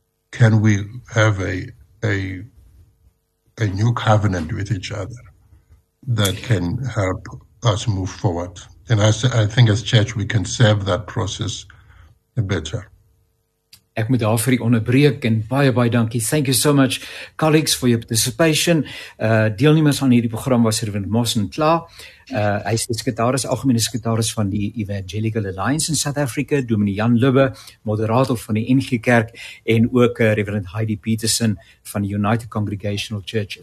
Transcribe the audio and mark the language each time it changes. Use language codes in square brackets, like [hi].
[en] Can we have a new covenant with each other that can help us move forward? And I think as church, we can serve that process better. [af] Ek moet daar vir die onderbreek en baie, baie dankie. [en] Thank you so much, colleagues, for your participation. [af] Deelnemers aan hierdie program was Irwin Moss en Kla. Hy is algemene sekretaris van die Evangelical Alliance in South Africa, Dominee Jan Lubbe, moderator van die NG Kerk, en ook Reverend Heidi Peterson van die United Congregational Church.